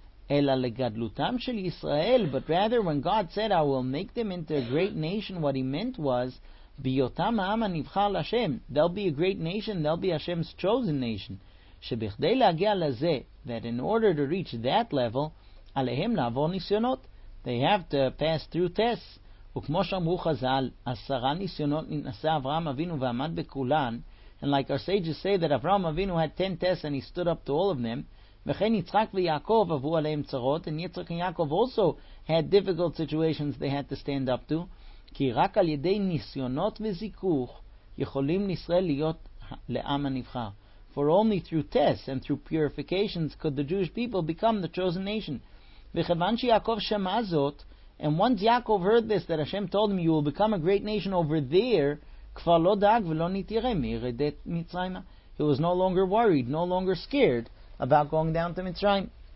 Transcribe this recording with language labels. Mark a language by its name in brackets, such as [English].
[Hebrew] Ela legadlutam shel Yisrael, [English] but rather when God said, I will make them into a great nation, what he meant was, [Hebrew] biyotam ha'am hanivchar l'Hashem, [English] they'll be a great nation, they'll be Hashem's chosen nation. [Hebrew] שבכדי להגיע לזה, [English] that in order to reach that level, [Hebrew] עליהם לעבור ניסיונות. [English] They have to pass through tests. [Hebrew] וכמו שאמרו חז"ל, 10 ניסיונות נתנסה אברהם אבינו ועמד בכולן. [English] And like our sages say that Avraham Avinu had 10 tests and he stood up to all of them. [Hebrew] וכן יצחק ויעקב עברו עליהם צרות. [English] And יצחק and Yaakov also had difficult situations they had to stand up to. [Hebrew] כי רק על ידי ניסיונות וזיכוך יכולים ישראל להיות לעם הנבחר. [English] For only through tests and through purifications could the Jewish people become the chosen nation. [Hebrew] וכיוון שיעקב שמע זאת, [English] and once Yaakov heard this, that Hashem told him, you will become a great nation over there, [Hebrew] כבר לא דאג ולא נתירה מירדת מצרימה. [English] He was no longer worried, no longer scared about going down to Mitzrayim.